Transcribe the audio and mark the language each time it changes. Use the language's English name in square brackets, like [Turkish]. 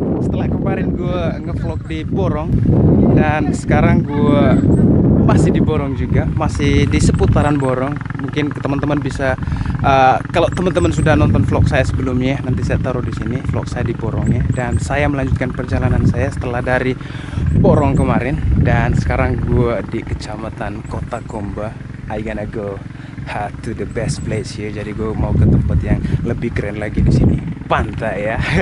[Indonesian] Setelah kemarin gue nge-vlog di Borong, dan sekarang gue masih di Borong juga, masih di seputaran Borong. Mungkin ke teman-teman bisa kalau teman-teman sudah nonton vlog saya sebelumnya, nanti saya taruh di sini vlog saya di Borong ya. Dan saya melanjutkan perjalanan saya setelah dari Borong kemarin, dan sekarang gue di kecamatan Kota Komba. [English] I gonna go to the best place here. [Indonesian] Jadi gue mau ke tempat yang lebih keren lagi di sini, pantai ya.